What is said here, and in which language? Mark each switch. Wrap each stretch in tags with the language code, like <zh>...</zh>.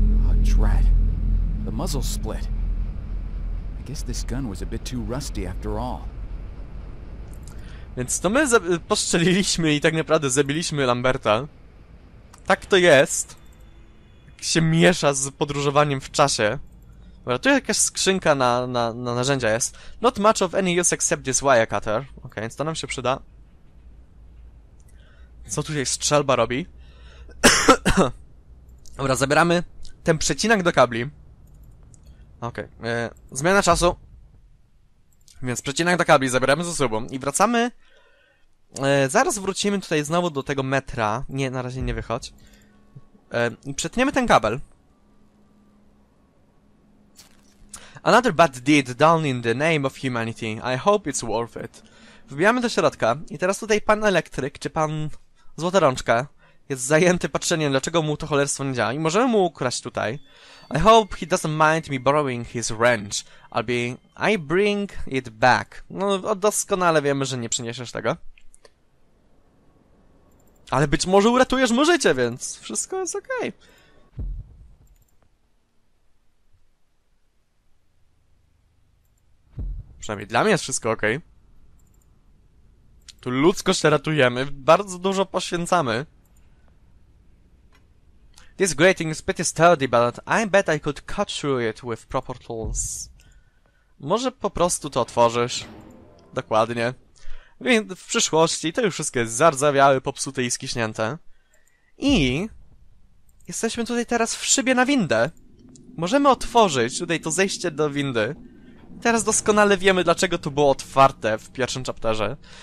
<en>A drat. The muzzle split. I guess this gun was a bit too rusty after all.</en> <pl>Więc to my postrzeliliśmy i tak naprawdę zabiliśmy Lamberta. Tak to jest. Jak się miesza z podróżowaniem w czasie. Dobra, tu jakaś skrzynka na narzędzia jest.</pl> <en>Not much of any use except this wire cutter.</en> <pl>Ok, więc to nam się przyda. Co tutaj strzelba robi? Dobra, zabieramy ten przecinak do kabli. Ok, zmiana czasu. Więc przecinak do kabli zabieramy ze sobą i wracamy. Zaraz wrócimy tutaj znowu do tego metra. Nie, na razie nie wychodź. I przetniemy ten kabel.</pl> <en>Another bad deed done in the name of humanity. I hope it's worth it.</en> <pl>Wbijamy do środka i teraz tutaj pan elektryk, czy pan złota rączka, jest zajęty patrzeniem, dlaczego mu to cholerstwo nie działa i możemy mu ukraść tutaj.</pl> <en>I hope he doesn't mind me borrowing his wrench. I bring it back.</en> <pl>No, doskonale wiemy, że nie przyniesiesz tego. Ale być może uratujesz mu życie, więc wszystko jest okej. Okay. Przynajmniej dla mnie jest wszystko okej. Okay. Tu ludzkość ratujemy, bardzo dużo poświęcamy.</pl> <en>This grating is pretty sturdy, but I bet I could cut through it with proper tools.</en> <pl>Może po prostu to otworzysz. Dokładnie. Więc w przyszłości to już wszystko jest zardzawiałe, popsute i skiśnięte. I jesteśmy tutaj teraz w szybie na windę. Możemy otworzyć tutaj to zejście do windy. Teraz doskonale wiemy, dlaczego to było otwarte w pierwszym chapterze.</pl>